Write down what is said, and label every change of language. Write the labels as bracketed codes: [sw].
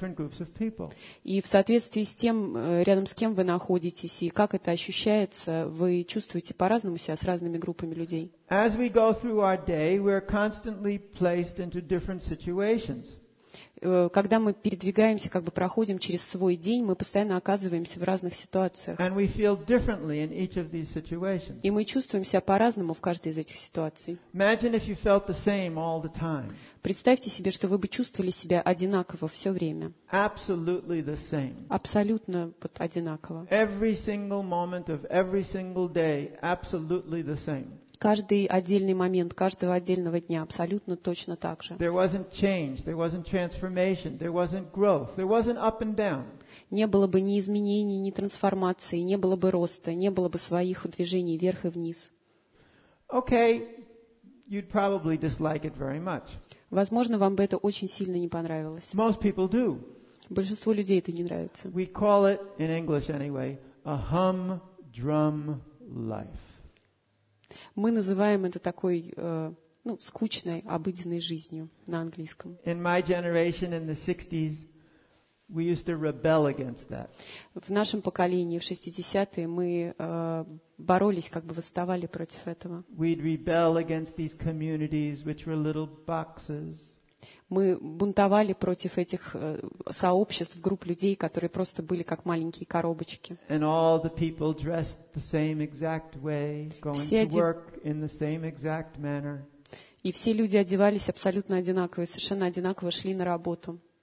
[ru] в соответствии с тем, рядом с кем вы находитесь и как это ощущается, вы чувствуете по-разному себя с разными группами людей. [en] As we go through our day, we're constantly placed into different situations. [ru] Когда мы передвигаемся, как бы проходим через свой день, мы постоянно оказываемся в разных ситуациях. И мы чувствуем себя по-разному в каждой из этих ситуаций. Представьте себе, что вы бы чувствовали себя одинаково все время. Абсолютно вот одинаково. [en] Every single moment of every single day, absolutely the same. [ru] Каждый отдельный момент, каждого отдельного дня абсолютно точно так же. [en] There wasn't change, there wasn't transformation, there wasn't growth, there wasn't up and down. [ru] Не было бы ни изменений, ни трансформации, не было бы роста, не было бы своих движений вверх и вниз. [en] Okay, you'd probably dislike it very much. [ru] Возможно, вам бы это очень сильно не понравилось. [en] Most people do. [ru] Большинству людей это не нравится. [en] We call it, in English anyway, a humdrum life. [ru] Мы называем это такой, ну, скучной, обыденной жизнью на английском. [en] In my generation, in the 60s, we used to rebel against that. [ru] В нашем поколении, в 60-е, мы боролись, как бы восставали против этого. [en] We'd rebel against these communities, which were little boxes. [ru] Мы бунтовали против этих сообществ, групп людей, которые просто были как маленькие коробочки. И все люди одевались абсолютно одинаково, совершенно одинаково шли на работу.